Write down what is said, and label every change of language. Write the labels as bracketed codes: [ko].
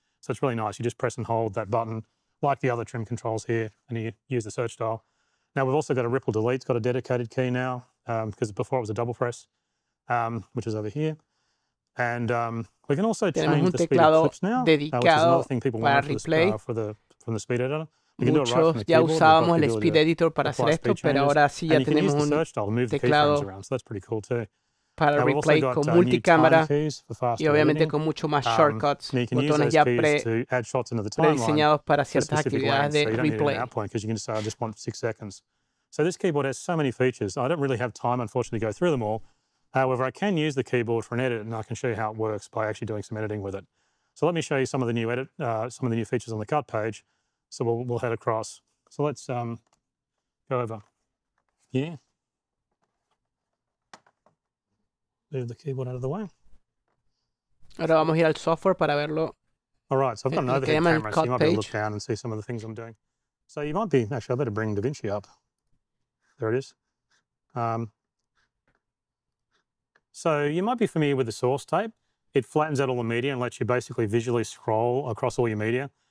[en] So it's really nice. You just press and hold that button like the other trim controls here, and you use the search dial. Now we've also got a ripple delete. It's got a dedicated key now. Because before it was a double press, which is over here. And we can also change the speed of clips now, which is another thing people want from the speed editor. We can [es] muchos [en] do it right [es] ya usábamos el speed editor para hacer esto, pero ahora sí ya tenemos un teclado [en] so that's pretty cool too. [es] Para replay con multicámara y obviamente con mucho más shortcuts, botones ya prediseñados para ciertas actividades de replay. [en] So this keyboard has so many features. I don't really have time, unfortunately, to go through them all. However, I can use the keyboard for an edit, and I can show you how it works by actually doing some editing with it. So let me show you some of the new features on the cut page. So we'll head across. So let's go over here. move the keyboard out of the way. [es] Ahora vamos a ir al software para verlo. [en] All right, so I've got an overhead camera, so you might be able to look down and see some of the things I'm doing. So you might be, actually, I better bring DaVinci up. There it is. So you might be familiar with the source tape. It flattens out all the media and lets you basically visually scroll across all your media.